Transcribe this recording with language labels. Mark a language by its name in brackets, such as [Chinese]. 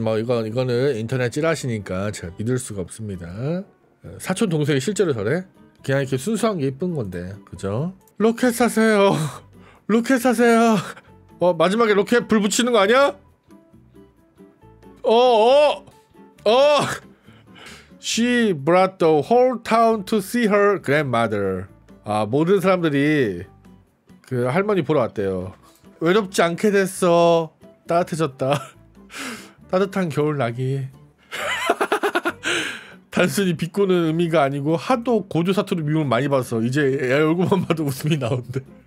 [Korean] 뭐 이거는 인터넷 찌라시니까 제가 믿을 수가 없습니다. 사촌 동생이 실제로 저래? 그냥 이렇게 순수한 게 예쁜 건데. 그죠? 로켓 사세요. 로켓 사세요. 어, 마지막에 로켓 불 붙이는 거 아니야? 어, 어. 어. [English] She brought the whole town to see her grandmother. [Korean] 아, 모든 사람들이 그 할머니 보러 왔대요. 외롭지 않게 됐어. 따뜻해졌다. 따뜻한 겨울 나기. 단순히 비꼬는 의미가 아니고 하도 고조 사투리 미움을 많이 봐서 이제 애 얼굴만 봐도 웃음이 나온대.